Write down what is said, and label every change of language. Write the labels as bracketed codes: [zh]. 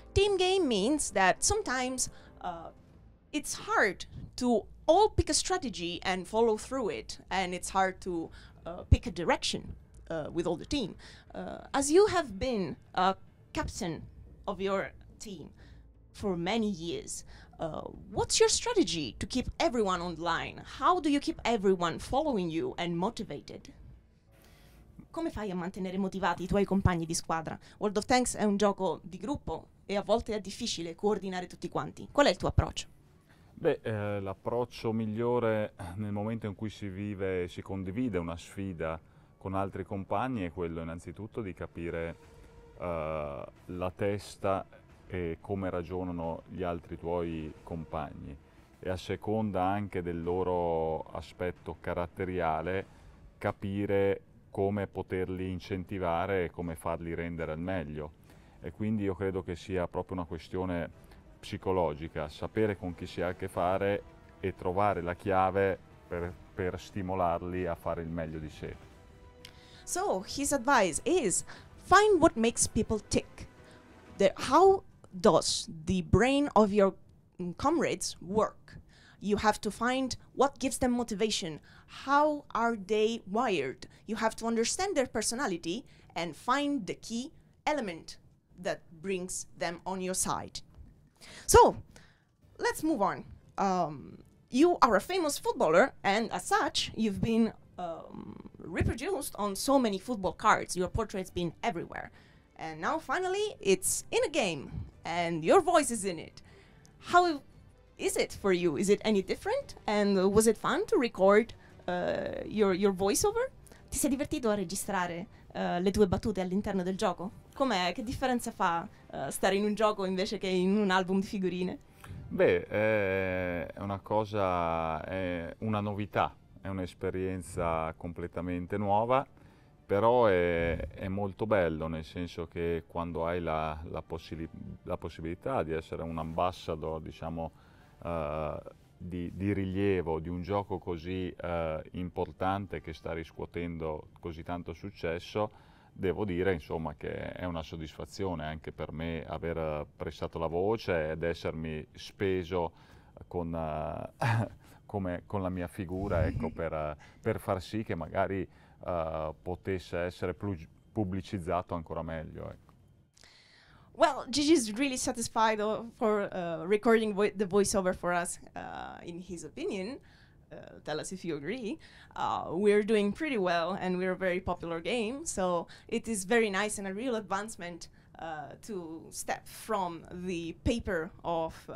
[en] Team game means that sometimes it's hard to all pick a strategy and follow through it, and it's hard to pick a direction with all the team. As you have been a captain of your team for many years, what's your strategy to keep everyone online? How do you keep everyone following you and motivated? [it] Come fai a mantenere motivati i tuoi compagni di squadra? World of Tanks è un gioco di gruppo e a volte è difficile coordinare tutti quanti. Qual è il tuo approccio? L'approccio migliore nel momento in cui si vive e si condivide una sfida con altri compagni è quello innanzitutto di capire la testa e come ragionano gli altri tuoi compagni, e a seconda anche del loro aspetto caratteriale capire come poterli incentivare e come farli rendere al meglio. E quindi io credo che sia proprio una questione psicologica, sapere con chi si ha a che fare e trovare la chiave per stimolarli a fare il meglio di sé. [en] So, his advice is find what makes people tick. How does the brain of your comrades work? You have to find what gives them motivation. How are they wired? You have to understand their personality and find the key element that brings them on your side. So, let's move on. You are a famous footballer, and as such, you've been reproduced on so many football cards. Your portrait's been everywhere. And now, finally, it's in a game, and your voice is in it. How is it for you? Is it any different? And was it fun to record your voiceover? [it] Ti sei divertito a registrare le tue battute all'interno del gioco? Com'è? Che differenza fa stare in un gioco invece che in un album di figurine? Beh, è una cosa, è una novità, è un'esperienza completamente nuova, però è molto bello, nel senso che quando hai la possibilità di essere un ambassador, diciamo, di rilievo di un gioco così importante che sta riscuotendo così tanto successo, devo dire, insomma, che è una soddisfazione anche per me aver prestato la voce ed essermi speso con la mia figura, ecco, per far sì che magari potesse essere pubblicizzato ancora meglio. Ecco. [en] Well, Gigi is really satisfied for recording the voiceover for us, in his opinion. Tell us if you agree. We're doing pretty well and we're a very popular game, so it is very nice and a real advancement to step from the paper of